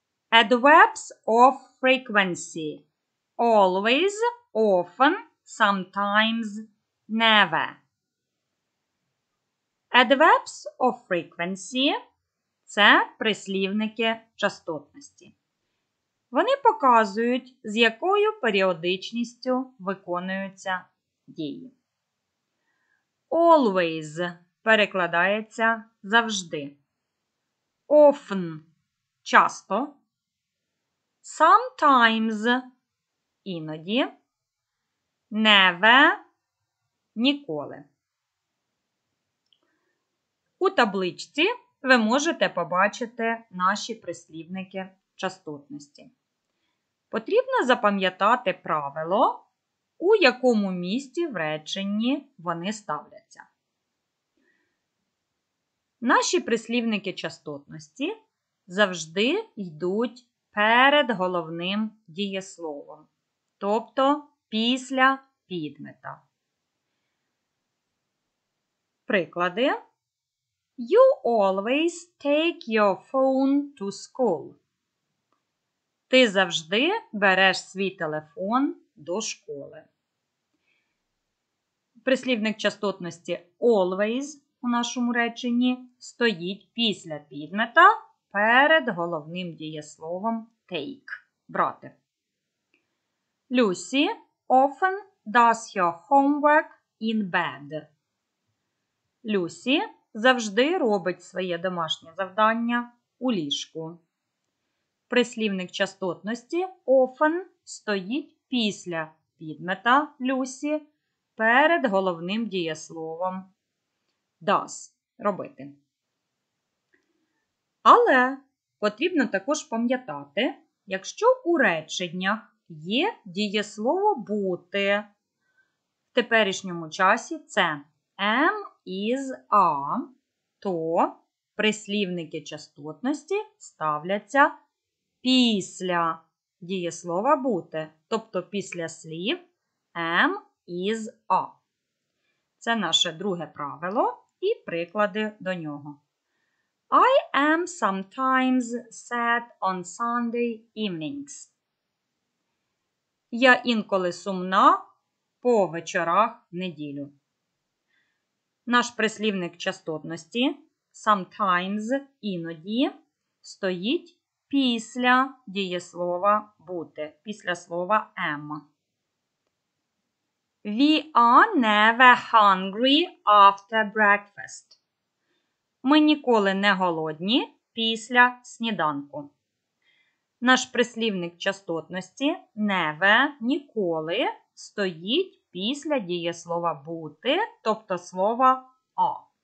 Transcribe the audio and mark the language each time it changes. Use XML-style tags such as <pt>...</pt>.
<en>Adverbs of frequency: always, often, sometimes, never. Adverbs of frequency</en> <uk>– це прислівники частотності. Вони показують, з якою періодичністю виконуються дії. Always перекладається завжди. Often – часто. Sometimes – іноді. Never – ніколи. У табличці ви можете побачити наші прислівники частотності. Потрібно запам'ятати правило, у якому місці в реченні вони ставляться. Наші прислівники частотності завжди йдуть перед головним дієсловом, тобто після підмета. Приклади.</uk> <en>You always take your phone to school.</en> <uk>Ти завжди береш свій телефон до школи. Прислівник частотності always у нашому реченні стоїть після підмета перед головним дієсловом take – брати.</uk> <en>Lucy often does her homework in bed.</en> <uk>Lucy завжди робить своє домашнє завдання у ліжку. Прислівник частотності often стоїть після підмета Люсі перед головним дієсловом does – робити. Але потрібно також пам'ятати, якщо у реченнях є дієслово «бути», в теперішньому часі це am, is, are, то прислівники частотності ставляться після дієслова «бути», тобто після слів am, is, are. Це наше друге правило і приклади до нього.</uk> <en>I am sometimes sad on Sunday evenings.</en> <uk>Я інколи сумна по вечорах в неділю. Наш прислівник частотності sometimes – іноді стоїть після дієслова «бути», після слова «am».</uk> <en>We are never hungry after breakfast.</en> <uk>Ми ніколи не голодні після сніданку. Наш прислівник частотності never – ніколи стоїть після дієслова «бути», тобто слова «are».</uk>